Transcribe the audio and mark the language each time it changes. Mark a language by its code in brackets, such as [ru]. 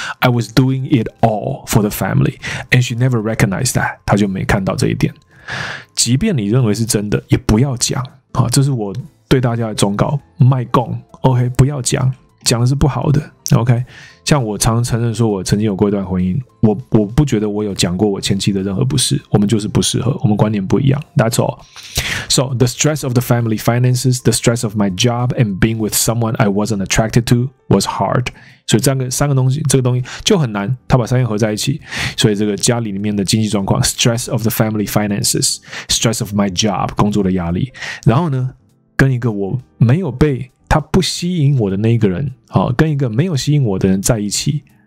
[en] I was doing it all for the family, and she never recognized that. [zh] 她就没看到这一点。即便你认为是真的，也不要讲。啊，这是我对大家的忠告。卖供 ，Okay， 不要讲，讲的是不好的。Okay， 像我常承认说我曾经有过一段婚姻，我不觉得我有讲过我前妻的任何不是，我们就是不适合，我们观念不一样。 [en] That's all. So, the stress of the family finances, the stress of my job, and being with someone I wasn't attracted to was hard. [zh] 所以三个东西，这个东西就很难，他把三个合在一起。所以这个家里面的经济状况 , [en] stress of the family finances, stress of my job, [zh] 工作的压力。然后呢，跟一个我没有被他不吸引我的那个人，跟一个没有吸引我的人在一起。